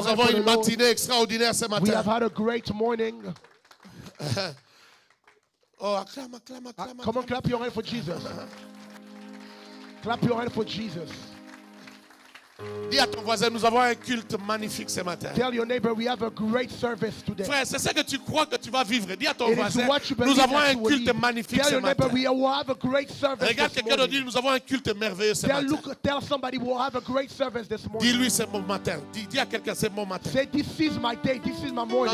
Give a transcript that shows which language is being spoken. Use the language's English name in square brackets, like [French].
[French] nous avons une matinée [English] Lord. [French] Extraordinaire ce matin. [English] We have had a great morning. [French] Oh, acclame, acclame, acclame. [English] Come on, clap your hand for Jesus. Clap your hand for Jesus. [French] Dis à ton voisin, nous avons un culte magnifique ce matin. [English] Tell your neighbor we have a great service today. [French] Frère, c'est ça que tu crois que tu vas vivre. Dis à ton voisin, nous avons un culte magnifique [English] tell [French] ce matin. [English] Tell your neighbor we will have a great service. [French] Regarde quelqu'un [English] morning. [French] Dit, nous avons un culte merveilleux ce [English] tell, [French] matin. [English] Look, tell somebody we will have a great service this morning. [French] Dis-lui ce bon matin. Dis à quelqu'un ce bon matin. [English] Say this is my day, this is my morning.